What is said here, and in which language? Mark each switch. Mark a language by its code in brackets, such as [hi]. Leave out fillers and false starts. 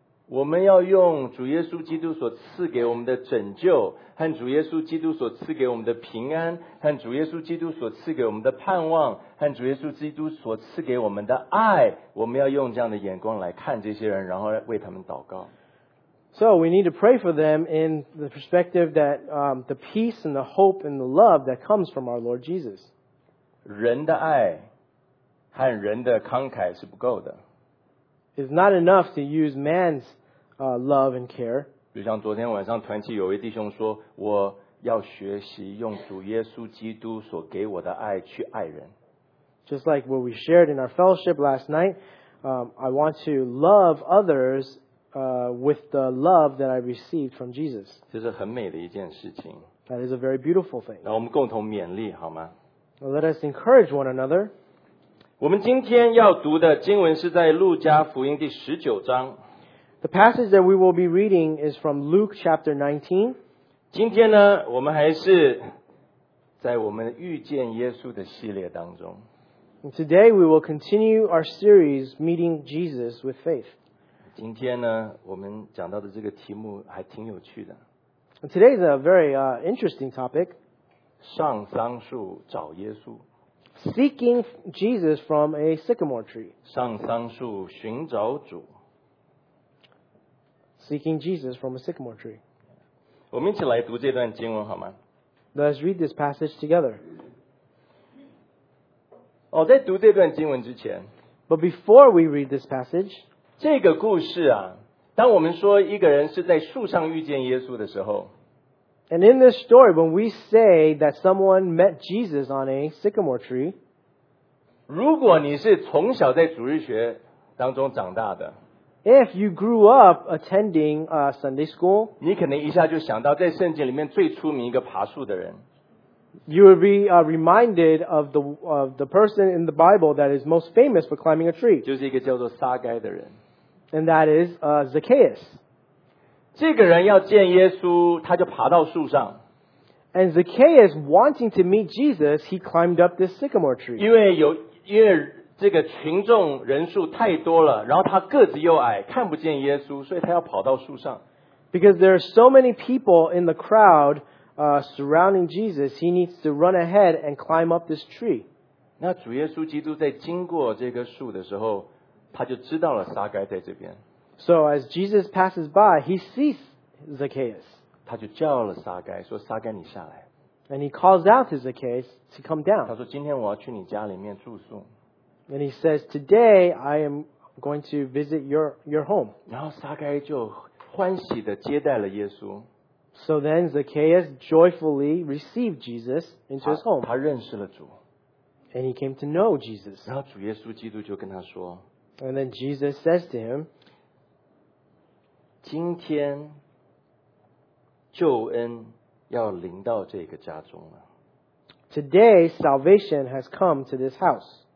[zh] 我们要用主耶稣基督所赐给我们的拯救，和主耶稣基督所赐给我们的平安，和主耶稣基督所赐给我们的盼望，和主耶稣基督所赐给我们的爱，我们要用这样的眼光来看这些人，然后为他们祷告。 [en] So we need to pray for them in the perspective that the peace and the hope and the love that comes from our Lord Jesus. [zh] 人的爱和人的慷慨是不够的。 [en] It's not enough to use man's love and care. [zh] 就像昨天晚上团契有位弟兄说，我要学习用主耶稣基督所给我的爱去爱人。 [en] Just like what we shared in our fellowship last night, I want to love others with the love that I received from Jesus. [zh] 这是很美的一件事情。 [en] That is a very beautiful thing. [zh] 那我们共同勉励好吗？ [en] Let us encourage one another. [zh] 我们今天要读的经文是在路加福音第十九章。 [en] The passage that we will be reading is from Luke chapter 19. [zh] 今天呢，我们还是在我们遇见耶稣的系列当中。 [en] And today we will continue our series Meeting Jesus with Faith. [zh] 今天呢，我们讲到的这个题目还挺有趣的。 [en] And today is a very interesting topic. [zh] 上桑树找耶稣。 [en] Seeking Jesus from a sycamore tree. [zh] 上桑树寻找主。 [en] Seeking Jesus from a sycamore tree. [zh] 我们一起来读这段经文好吗？ [en] Let's read this passage together. [zh] 哦，在读这段经文之前。 [en] But before we read this passage. [zh] 这个故事啊，当我们说一个人是在树上遇见耶稣的时候。 [en] And in this story, when we say that someone met Jesus on a sycamore tree, [zh] 如果你是从小在主日学当中长大的， [en] if you grew up attending Sunday school, [zh] 你可能一下就想到在圣经里面最出名一个爬树的人， [en] you will be reminded of the person in the Bible that is most famous for climbing a tree, [zh] 就是一个叫做撒该的人， [en] and that is Zacchaeus. [zh] 这个人要见耶稣，他就爬到树上。 [en] And Zacchaeus wanting to meet Jesus, he climbed up this sycamore tree. [zh] 因为这个群众人数太多了，然后他个子又矮，看不见耶稣，所以他要跑到树上。 [en] Because there are so many people in the crowd, surrounding Jesus, he needs to run ahead and climb up this tree. [zh] 那主耶稣基督在经过这棵树的时候，他就知道了撒该在这边。 [en] So as Jesus passes by, he sees Zacchaeus. [zh] 他就叫了撒该，说撒该你下来。 [en] And he calls out to Zacchaeus to come down. [zh] 他说今天我要去你家里面住宿。 [en] And he says, today I am going to visit your home. [zh] 然后撒该就欢喜地接待了耶稣。 [en] So then Zacchaeus joyfully received Jesus into his home. [zh] 他认识了主。 [en] And he came to know Jesus. [zh] 然后主耶稣基督就跟他说。 [en] And then Jesus says to him, [zh] 今天救恩要临到这个家中了。 [en] Today salvation has come to this house.